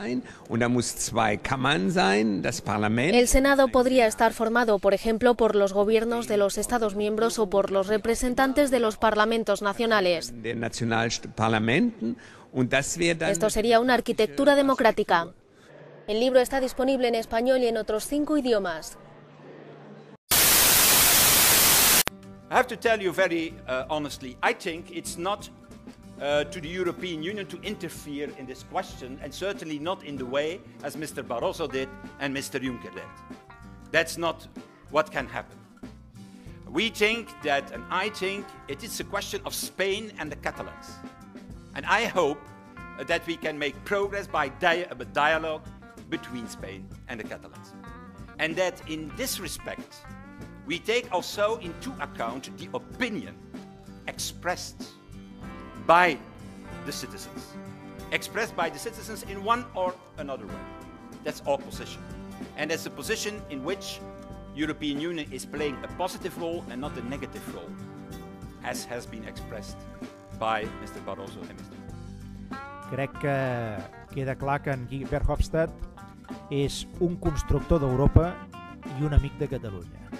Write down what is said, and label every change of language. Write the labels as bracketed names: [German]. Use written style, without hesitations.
[Spanish] El Senado podría estar formado, por ejemplo, por los gobiernos de los Estados miembros o por los representantes de los parlamentos nacionales. Esto sería una arquitectura democrática. El libro está disponible en español y en otros 5 idiomas. [English] I have to tell you very honestly, I think it's not to the European Union to interfere in this question, and certainly not in the way as Mr. Barroso did and Mr. Juncker did. That's not what can happen. We think that, and I think, it is a question of Spain and the Catalans. And I hope that we can make progress by dialogue between Spain and the Catalans. And that in this respect, we take also into account the opinion expressed by the citizens. Expressed by the citizens in one or another way. That's our position. And that's a position in which European Union is playing a positive role and not a negative role, as has been expressed by Mr. Barroso and Mr. [Catalan] Crec que queda clar que en Guy Verhofstadt és un constructor d'Europa i un amic de Catalunya.